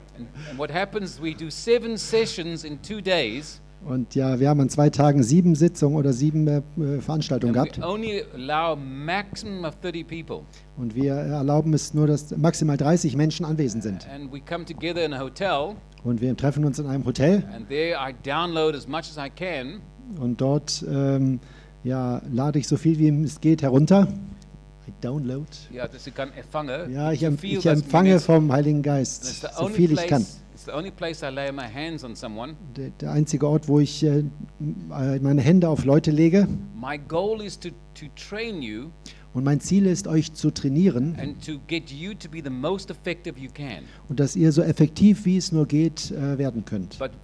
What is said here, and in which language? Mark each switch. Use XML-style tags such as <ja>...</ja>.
<en>And what happens? We do 7 sessions in 2 days.</en> <de>Und ja, wir haben an 2 Tagen 7 Sitzungen oder 7 Veranstaltungen gehabt.</de> <en>We only allow maximum of 30 people.</en> <de>Und wir erlauben es nur, dass maximal 30 Menschen anwesend sind.</de> <en>And we come together in a hotel.</en> <de>Und wir treffen uns in einem Hotel.</de> <en>And there I download as much as I can.</en> <de>Und dort ja, lade ich so viel wie es geht herunter.</de> <en>I download.</en> <de>Ja, das ich kann empfangen. Ja, ich empfange vom Heiligen Geist so viel ich kann.</de> <en>It's the only place I lay my hands on someone.</en> <de>Der einzige Ort, wo ich meine Hände auf Leute lege.</de> <en>My goal is to train you.</en> <de>Und mein Ziel ist, euch zu trainieren und dass ihr so effektiv, wie es nur geht, werden könnt.</de>